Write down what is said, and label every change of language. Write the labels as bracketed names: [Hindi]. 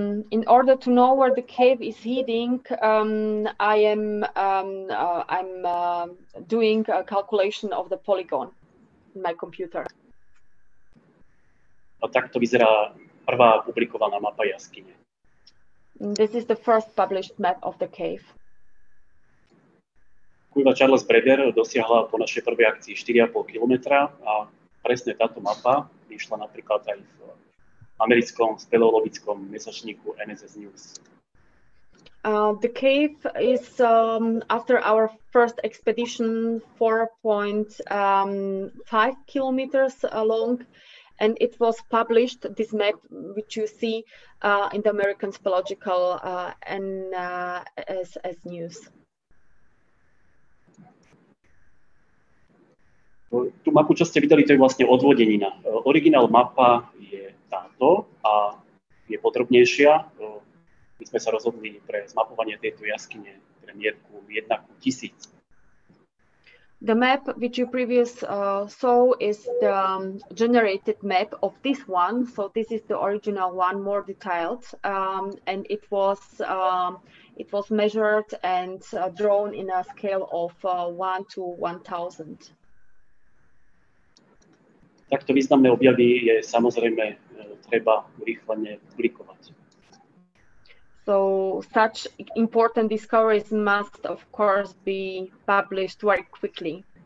[English] In order to know where the cave is heading, I'm doing a calculation of the polygon in my computer. [Slovak] A takto vyzerá prvá publikovaná mapa jaskyne. [English] This is the first published map of the cave. [Slovak] Cueva Charles Brewer dosiahla po našej prvej akcii 4,5 kilometra a presne táto mapa vyšla napríklad aj v americkom speleologickom mesačníku NSS News. [English] The cave is after our first expedition 4.5 kilometers long, and it was published, this map which you see in the American speleological NSS News. [Slovak] Tú mapu, čo ste videli, to je vlastne odvodenina. Originál mapa je táto a je podrobnejšia. My sme sa rozhodli pre zmapovanie tejto jaskyne pre mierku 1:1000. [English] The map which you previous saw is the generated map of this one. So this is the original one, more detailed. And it was measured and drawn in a scale of 1 to 1,000. [Slovak] Takto významné objavy je samozrejme treba rýchlene publikovať. [English] So such important discoveries must of course be published very quickly.